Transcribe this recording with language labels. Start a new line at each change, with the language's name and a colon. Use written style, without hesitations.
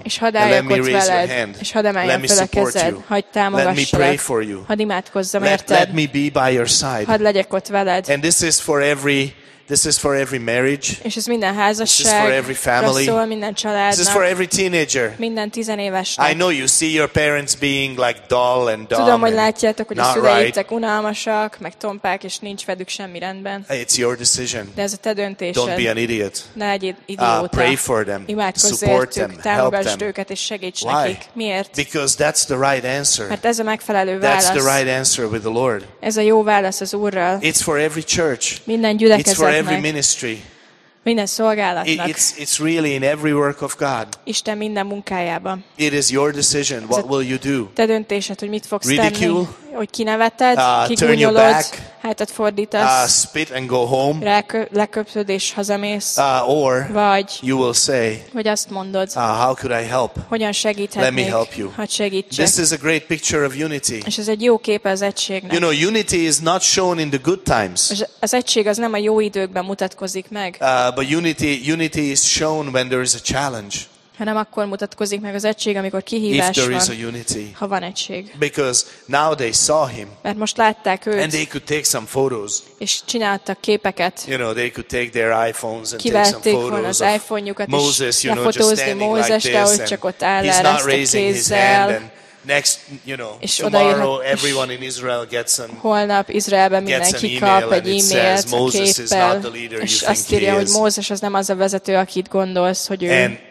Hungarian: És hadd álljak ott veled.
English: And let me raise your hand.
Hungarian: És hadd emeljem fel a kezed. Hadd támogassalak.
English: Let me pray for you.
Hungarian: Hadd imádkozzam érted.
English: Let me be by your side.
Hungarian: Hadd legyek ott veled.
English: And this is for every. This is for every marriage.
Hungarian: És ez minden házasság.
English: This is for every family.
Hungarian: Rosszul, minden családnak.
English: This is for every teenager.
Hungarian: Minden tizenévesnek.
English: I know you see your parents being like dull and dumb.
Hungarian: Tudom, hogy látjátok, hogy a szüleitek unalmasak, meg tompák, és nincs velük semmi rendben.
English: It's your decision.
Hungarian: De ez a te döntésed.
English: Don't be an idiot.
Hungarian: Ne legyél idióta.
English: Pray for them.
Hungarian: Imádkozz értük, támogasd őket, és segíts nekik. Miért?
English: Because that's the right answer.
Hungarian: Mert ez a megfelelő válasz.
English: That's the right answer with the Lord.
Hungarian: Ez a jó válasz az Úrral.
English: It's for every church.
Hungarian: Minden gyülekezet.
English: For every ministry.
Hungarian: Minden szolgálatnak.
English: It's really in every work of God.
Hungarian: Isten minden munkájában.
English: It is your decision. What will you do?
Hungarian: Te döntésed, hogy mit fogsz
English: ridicule,
Hungarian: tenni. Hogy kineveted, kigúnyolod, hátat fordítasz.
English: Spit and go home.
Hungarian: Leköpöd és hazamész.
English: Or
Hungarian: vagy,
English: you will say.
Hungarian: Vagy azt mondod.
English: How could I help?
Hungarian: Hogyan segíthetnék?
English: Let me help you.
Hungarian: Hadd segítsek.
English: This is a great picture of unity.
Hungarian: És ez egy jó képe az egységnek.
English: You know, unity is not shown in the good times.
Hungarian: Az egység az nem a jó időkben mutatkozik meg.
English: But unity is shown when there is a challenge.
Hungarian: Hanem akkor mutatkozik meg az egység, amikor kihívás van, ha van egység.
English: Because now they saw him.
Hungarian: Mert most látták őt.
English: And they could take some photos.
Hungarian: És csináltak képeket.
English: You know, they could take their iPhones and
Hungarian: kivették
English: take some photos
Hungarian: az iPhone-jukat,
English: Moses, you know, just standing Moses, like this.
Hungarian: Csak ott áll,
English: he's not raising his hand. And next, you know, tomorrow everyone in Israel gets an
Hungarian: holnap Izraelben mindenki kap egy e-mailt, képpel, és azt írja, hogy Mózes az nem az a vezető, akit gondolsz, hogy ő.